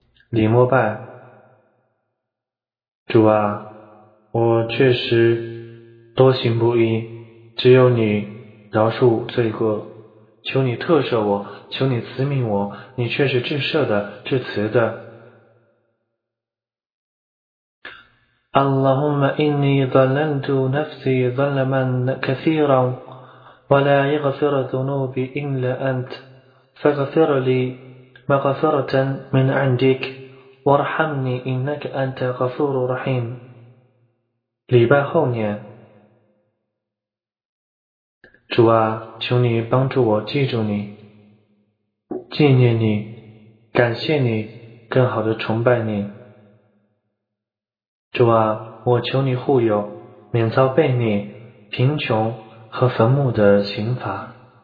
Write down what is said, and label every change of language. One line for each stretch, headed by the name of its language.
Chinese: 礼膜拜，主啊，我确实多行不义，只有你饶恕罪过，求你特赦我，求你慈悯我，你却是至赦的、至慈的。
Arabic: اللهم إني ظللت نفسي ظلما كثيرا ولا يغفر ذنوبي إلا أنت فاغفر لي مغفرة من عندك وارحمني إنك أنت غفور رحيم.
Chinese: 礼拜后念，主啊，求你帮助我记住你，纪念你，感谢你，更好的崇拜你。主啊，我求你护佑，免遭悖逆、贫穷和坟墓的刑罚。